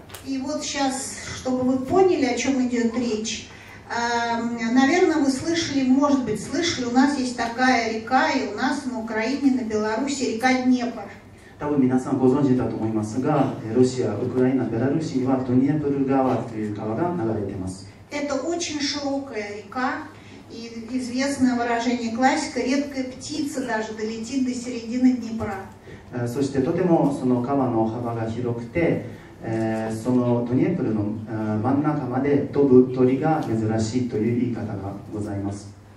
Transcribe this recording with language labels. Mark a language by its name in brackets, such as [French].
[Russian] И вот сейчас, чтобы вы поняли, о чем идет речь. Наверное, вы слышали, может быть, слышали, у нас есть такая река, и у нас на Украине, на Беларуси река Днепр. [Japanese] 多分皆さんご存知だと思いますが、ロシア、ウクライナ、ベラルーシにはドニエプル川という川が流れています。 [Russian] Это очень широкая река, и известное выражение классика, редкая птица даже долетит до середины Днепра. [Japanese] そしてとてもその川の幅が広くて、そのドニエプルの真ん中まで飛ぶ鳥が珍しいという言い方がございます。